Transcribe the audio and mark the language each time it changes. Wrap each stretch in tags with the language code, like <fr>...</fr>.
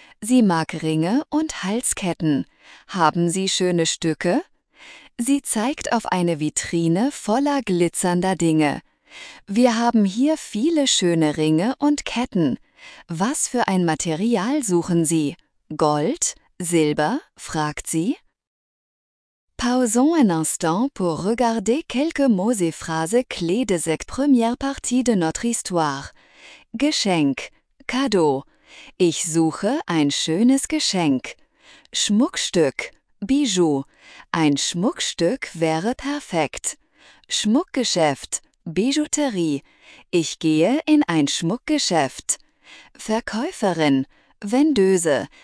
<de>Sie mag Ringe und Halsketten. Haben Sie schöne Stücke? Sie zeigt auf eine Vitrine voller glitzernder Dinge. Wir haben hier viele schöne Ringe und Ketten. Was für ein Material suchen Sie? Gold? Silber? Fragt sie.</de> <fr>Pausons un instant pour regarder quelques mots et phrases clés de cette première partie de notre histoire.</fr> <de>Geschenk,</de> <fr>Cadeau.</fr> <de>Ich suche ein schönes Geschenk. Schmuckstück,</de> <fr>Bijou.</fr> <de>Ein Schmuckstück wäre perfekt. Schmuckgeschäft,</de> <fr>Bijouterie.</fr> <de>Ich gehe in ein Schmuckgeschäft. Verkäuferin,</de> <fr>Vendeuse.</fr>